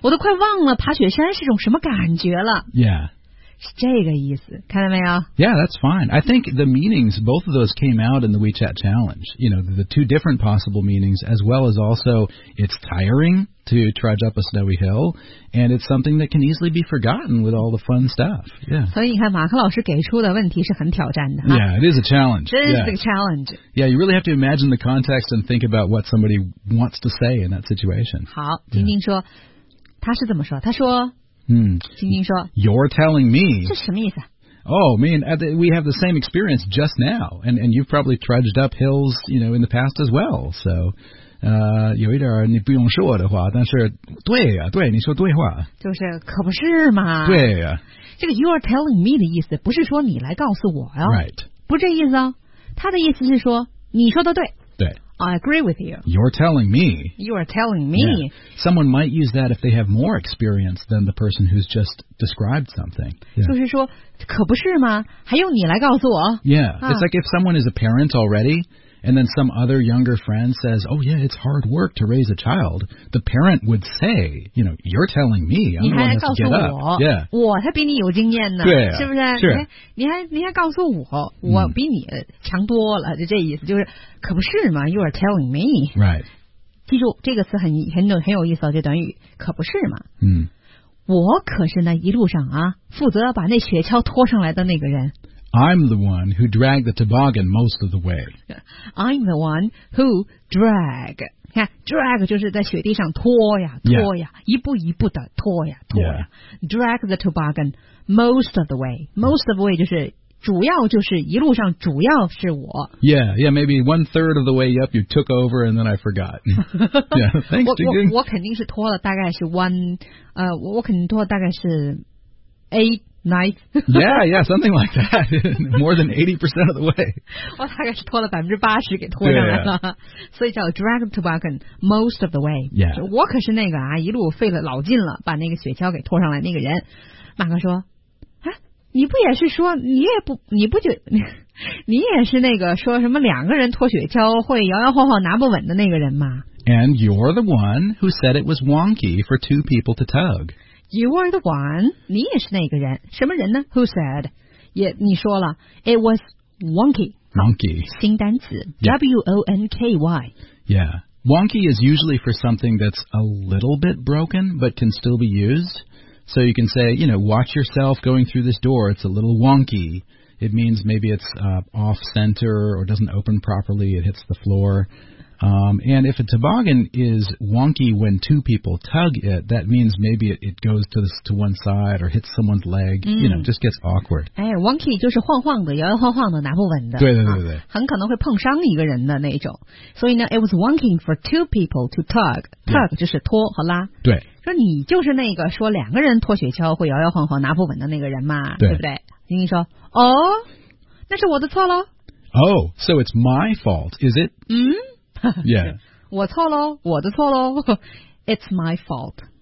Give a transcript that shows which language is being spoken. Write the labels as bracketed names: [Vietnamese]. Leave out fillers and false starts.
[Chinese] 我都快忘了爬雪山是种什么感觉了。 [English] Yeah. [Chinese] 是这个意思，看到没有？ [English] Yeah, that's fine. I think the meanings, both of those came out in the WeChat challenge. You know, the two different possible meanings, as well as also it's tiring to trudge up a snowy hill, and it's something that can easily be forgotten with all the fun stuff. Yeah. [Chinese] 所以你看，马克老师给出的问题是很挑战的。 [English] Yeah, it is a challenge. It is a challenge. Yeah, you really have to imagine the context and think about what somebody wants to say in that situation. [Chinese] 好，晶晶说，他是怎么说？他说。晶晶说 [English] You're telling me [Chinese] 这是什么意思、啊、 [English] Oh, I mean, we have the same experience just now and you've probably trudged up hills, you know, in the past as well So, [Chinese] 有一点你不用说的话但是对啊对你说对话就是可不是嘛对啊这个 [English] You're telling me [Chinese] 的意思不是说你来告诉我啊 [English] Right [Chinese] 不是这意思啊他的意思是说你说的对对 [English] I agree with you. You're telling me. You are telling me.、 Yeah. Someone might use that if they have more experience than the person who's just described something.、Yeah. [Chinese] 就是说可不是吗还用你来告诉我 [English] Yeah.、啊、It's like if someone is a parent already, and then some other younger friend says, oh yeah, it's hard work to raise a child, the parent would say, you know, you're telling me. I'm the one that has to get up. [Chinese] 你还告诉我、 [English] yeah. [Chinese] 我才比你有经验呢对、啊、是不是、 [English] sure. [Chinese] 你还告诉我我比你强多了、mm. 就这意思就是可不是嘛 [English] You are telling me Right [Chinese] 记住这个词很有意思，这短语可不是嘛。嗯，我可是那一路上啊负责把那雪橇拖上来的那个人。 [English] I'm the one who dragged the toboggan most of the way. I'm the one who drag. [Chinese] 看 drag 就是在雪地上拖呀拖呀、 [English] yeah. [Chinese] 一步一步的拖呀拖呀、 [English] yeah. Drag the toboggan most of the way. Most of the way [Chinese] 就是主要就是一路上主要是我。 [English] Yeah, yeah, maybe one third of the way up you took over and then I forgot. Yeah, thanks, Jing-Jing. [Chinese] 我肯定是拖了大概是 我肯定拖了大概是 8, 9. [English] Yeah, yeah, something like that. More than 80% of the way. [Chinese] 我大概是拖了80%给拖上来了。所以叫 [English] drag the toboggan most of the way. Yeah. [Chinese] 我可是那个啊一路费了老劲了把那个雪橇给拖上来那个人。马克说你不也是说你也不你不就你也是那个说什么两个人拖雪橇会摇摇晃晃拿不稳的那个人吗 [English] ？And you're the one who said it was wonky for two people to tug. You are the one. [Chinese] 你也是那个人，什么人呢 [English] ？Who said? [Chinese] 也你说了 ， [English] it was wonky. Wonky. [Chinese] 新单词、 [English] yeah. ，wonky. Yeah, wonky is usually for something that's a little bit broken but can still be used. So you can say, you know, watch yourself going through this door. It's a little wonky. It means maybe it's off center or doesn't open properly. It hits the floor. And if a toboggan is wonky when two people tug it, that means maybe it goes to one side or hits someone's leg.、嗯、 you know, just gets awkward. [Chinese] 哎 ，wonky 就是晃晃的，摇摇晃晃的，拿不稳的。对对对对、啊，很可能会碰伤一个人的那种。 [English] 所以呢 ，it was wonky for two people to tug. Tug、 yeah. [Chinese] 就是拖和拉。对。说你就是那个说两个人拖雪橇会摇摇晃晃拿不稳的那个人嘛，对不对？晶晶说，哦，那是我的错喽。 [English] Oh, so it's my fault, is it? 嗯，Yeah， [Chinese] 我错喽，我的错喽。 [English] It's my fault。